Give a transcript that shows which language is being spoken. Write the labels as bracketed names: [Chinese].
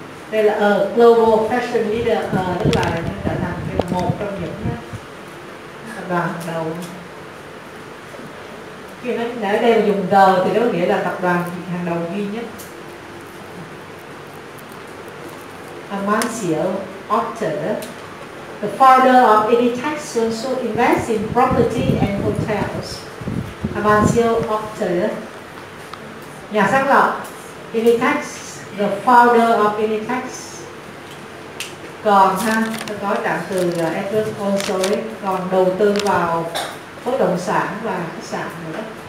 [Vietnamese] Đây là [English] global fashion leader, [Vietnamese] tức là nó trở thành cái một trong những tập đoàn đầu. Khi nó đã đem dùng the thì nó nghĩa là tập đoàn hàng đầu duy nhất. [English] Amancio Ortega, the founder of Inditex, also invests in property and hotels. [Vietnamese] Amancio Ortega, nhà sáng lập Inditex, [English] the founder of Inditex. [Vietnamese] Còn ha, có trạng từ Edward also ấy, còn đầu tư vào bất động sản và khách sạn nữa.